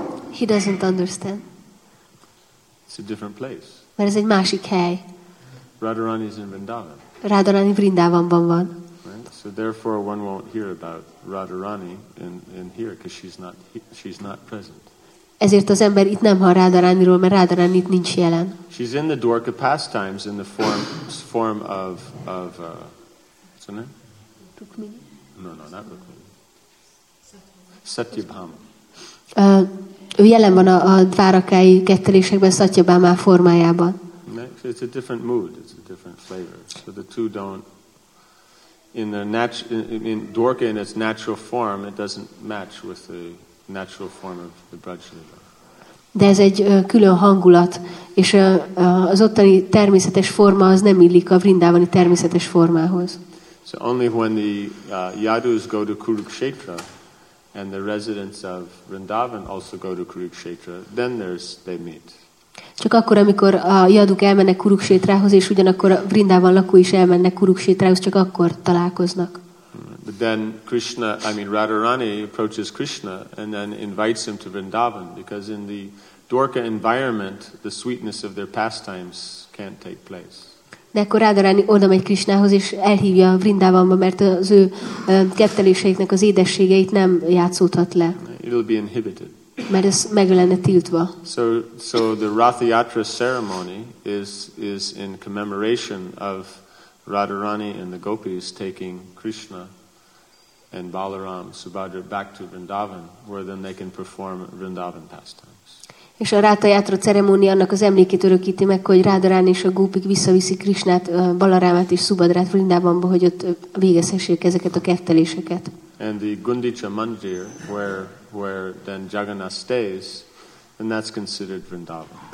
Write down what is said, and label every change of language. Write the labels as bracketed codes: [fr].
[en] He doesn't understand. It's a different place. [hu] Mert ez egy másik hely. [en] Radharani is in Vrindavan. [hu] Radharani Vrindavanban van. [en] Right? So therefore one won't hear about Radharani in here because she's not present. [hu] Ezért az ember itt nem hall Rádarániról, mert Rádarán itt nincs jelen. [en] She's in the Dwarka pastimes in the form of what's her name? Rukmini. No, not Rukmini. Satyabhama. [hu] Ő jelen van a dvárakai kettelésekben Satyabhama formájában. [en] It's a different mood, it's a different flavor. So the two don't, in Dwarka in its natural form, it doesn't match with the natural form of the Brajlila. [hu] De ez egy külön hangulat, és az ottani természetes forma az nem illik a Vrindavani természetes formához. [en] So only when the Yadus go to Kurukshetra and the residents of Vrindavan also go to Kurukshetra, then they meet. [hu] Csak akkor, amikor a Yaduk elmennek Kurukshetrához, és ugyanakkor a Vrindavan lakó is elmennek Kurukshetrához, csak akkor találkoznak. [en] But then Radharani approaches Krishna and then invites him to Vrindavan because in the Dwarka environment the sweetness of their pastimes can't take place. [hu] De akkor Rádaráni oda megy Krisnához, és elhívja Vrindávanba, mert az ő ketteléseiknek az édességeit nem játszódhat le. [en] It'll be inhibited. [hu] Mert ez meg lenne tiltva. [en] So the Ratha Yatra ceremony is in commemoration of Radharani and the gopis taking Krishna and Balaram Subhadra back to Vrindavan, where then they can perform Vrindavan pastimes. [hu] És a Ratha Yatra ceremónia annak az emlékét örökíti meg, hogy Radharani és a gópik visszaviszi Krishnát, Balarámát és Subhadrát Vrindavanba, hogy ott végezhessék ezeket a ketteléseket. [en] And the Gundicha Mandir, where then Jagannath stays, and that's considered Vrindavan.